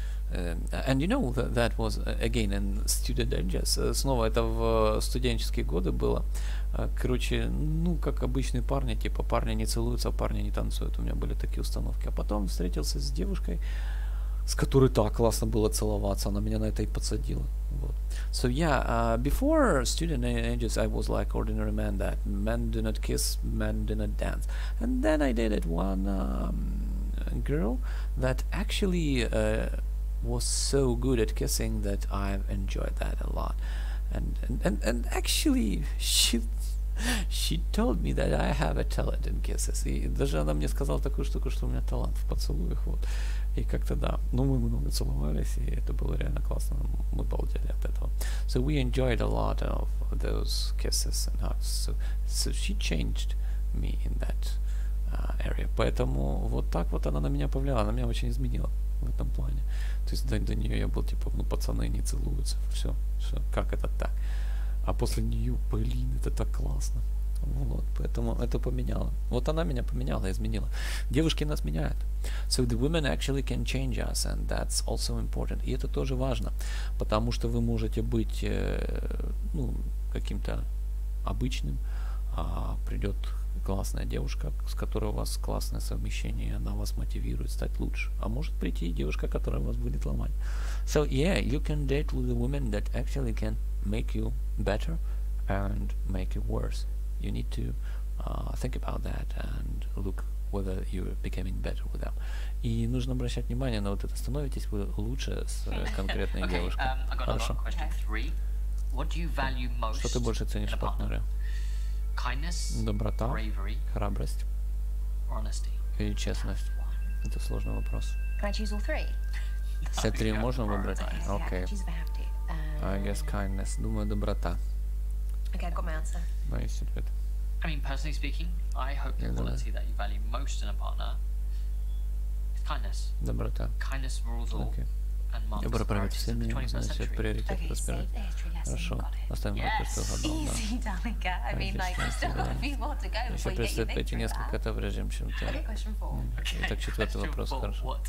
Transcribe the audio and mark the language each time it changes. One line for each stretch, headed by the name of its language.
English: And you know that that was again in student digest.
Russian: Снова это в студенческие годы было. Короче, ну как обычные парни, типа парни не целуются, парни не танцуют. У меня были такие установки. А потом встретился с девушкой, с которой так классно было целоваться. Она меня на это и подсадила. Вот.
English: So yeah, before student digest, I was like ordinary man that men do not kiss, men do not dance. And then I dated one girl that actually was so good at kissing that I've enjoyed that a lot, and actually she told me that I have a talent in kisses.
Russian: И даже она мне сказала такую штуку, что у меня талант в поцелуях, вот. И как-то да, ну мы много целовались, и это было реально классно, мы балдели от этого.
English: So we enjoyed a lot of those kisses and hugs. So she changed me in that area.
Russian: Поэтому вот так вот она на меня повлияла, она меня очень изменила в этом плане. То есть до нее я был типа, ну пацаны не целуются, все, все, как это так? А после нее, блин, это так классно. Вот, поэтому это поменяло. Вот она меня поменяла, изменила. Девушки нас меняют.
English: So the women actually can change us, and that's also important.
Russian: И это тоже важно, потому что вы можете быть, ну, каким-то обычным, а придет классная девушка, с которой у вас классное совмещение, и она вас мотивирует стать лучше. А может прийти и девушка, которая вас будет ломать.
English: So, yeah, you can date with a woman that actually can make you better and make you worse. You need to think about that and look whether you're becoming better with them.
Russian: И нужно обращать внимание на вот это. Становитесь вы лучше с конкретной
English: okay,
Russian: девушкой. Хорошо.
English: What do you value most?
Russian: Что ты больше ценишь в партнере?
English: Kindness,
Russian: доброта,
English: bravery,
Russian: храбрость
English: honesty.
Russian: Или честность? Это сложный вопрос.
English: Can I choose all three?
Russian: Все три можно выбрать? Окей.
English: I guess kindness.
Russian: Думаю, доброта.
English: Okay, I've got my answer.
Russian: Мой ответ.
English: I mean, personally speaking, I hope the quality that you value most in a partner is kindness.
Russian: Доброта.
English: Kindness rules all. Okay.
Russian: Я буду проверять все мнения, значит, приоритет разбирать. Хорошо, оставим
English: yes.
Russian: Просто в одном, да. Еще предстоит пойти несколько это в режим, чем ты. Итак, четвертый вопрос, хорошо.